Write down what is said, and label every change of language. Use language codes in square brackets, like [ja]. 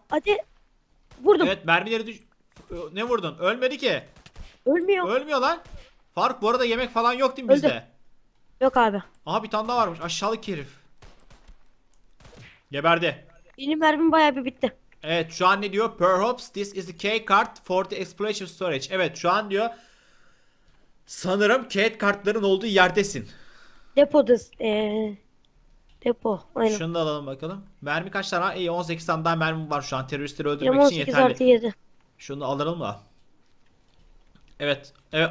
[tr] Hadi. Vurdum. Evet, mermileri düş... Ne vurdun? Ölmedi ki. Ölmüyor. Ölmüyor lan. Faruk, bu arada yemek falan yok değil mi Öldü. bizde? Yok abi. Aha, bir tane daha varmış. Aşağılık herif. Geberdi. Benim mermim bayağı bir bitti. Evet, şu an ne diyor? [en] Perhaps this is the key card for the explosive storage. [tr] Evet, şu an diyor. Sanırım key kartların olduğu yerdesin. Depodas. Depo. Aynen. Şunu da alalım bakalım. Mermi kaç tane var? İyi, 18 tane daha mermi var şu an. Teröristleri Benim öldürmek için 18 artı yeterli. 7. Şunu da alalım da. Evet. Evet.